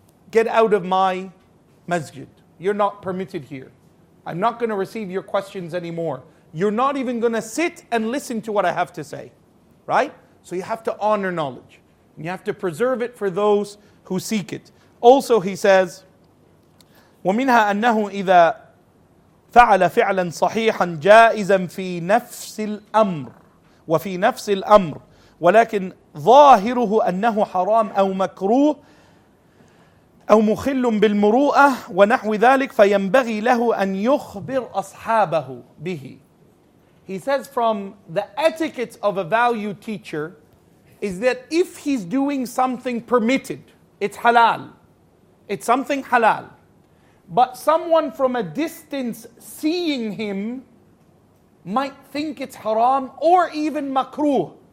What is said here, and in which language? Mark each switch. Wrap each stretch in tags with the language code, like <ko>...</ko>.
<en>Get out of my masjid. You're not permitted here. I'm not going to receive your questions anymore. You're not even going to sit and listen to what I have to say. Right? So you have to honor knowledge. And you have to preserve it for those who seek it. Also he says,</en> <ar>وَمِنْهَا أَنَّهُ إِذَا فَعَلَ فِعْلًا صَحِيحًا جَائِزًا فِي نَفْسِ الْأَمْرِ وَفِي نَفْسِ الْأَمْرِ وَلَكِنْ ظَاهِرُهُ أَنَّهُ حَرَامٌ أَوْ مَكْرُوهٌ أو مخل بالمروءة ونحو ذلك فينبغي له أن يخبر أصحابه به.</ar> <en>He says from the etiquette of a valued teacher is that if he's doing something permitted, it's halal. It's something halal. But someone from a distance seeing him might think it's haram or even makruh.</en>